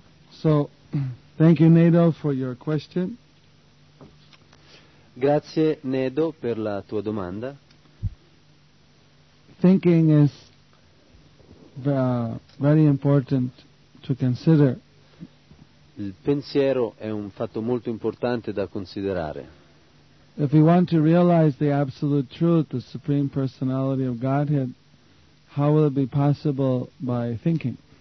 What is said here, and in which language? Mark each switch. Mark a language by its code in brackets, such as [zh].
[en] So, thank you, Nedo, for your question. [it] Grazie, Nedo, per la tua domanda. [en] Thinking is very important to consider. [it] Il pensiero è un fatto molto importante da considerare. [en] If we want to realize the absolute truth, the supreme personality of Godhead, how will it be possible by thinking?